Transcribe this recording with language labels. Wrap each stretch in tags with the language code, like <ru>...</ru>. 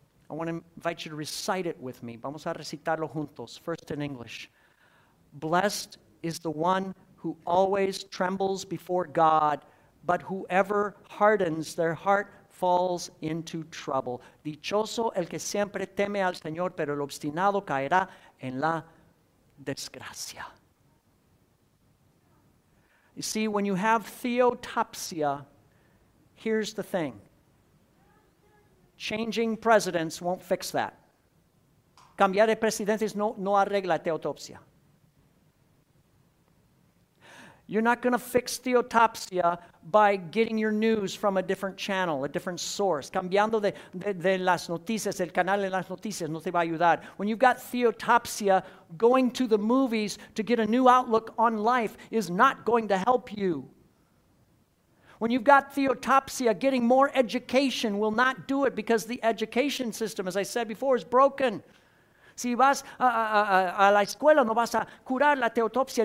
<en>I want to invite you to recite it with me.</en> <es>Vamos a recitarlo juntos,</es> <en>first in English. Blessed is the one who always trembles before God, but whoever hardens their heart falls into trouble.</en> <es>Dichoso el que siempre teme al Señor, pero el obstinado caerá en la desgracia.</es> <en>You see, when you have theotopsia, here's the thing. Changing presidents won't fix that.</en> <es>Cambiar de presidentes no arregla teotopsia.</es> <en>You're not going to fix theotopsia by getting your news from a different channel, a different source.</en> <es>Cambiando de las noticias, el canal de las noticias no te va a ayudar.</es> <en>When you've got theotopsia, going to the movies to get a new outlook on life is not going to help you. When you've got theotopsia, getting more education will not do it because the education system, as I said before, is broken.</en> <es>Si vas a la escuela, no vas a curar la teotopsia.</es>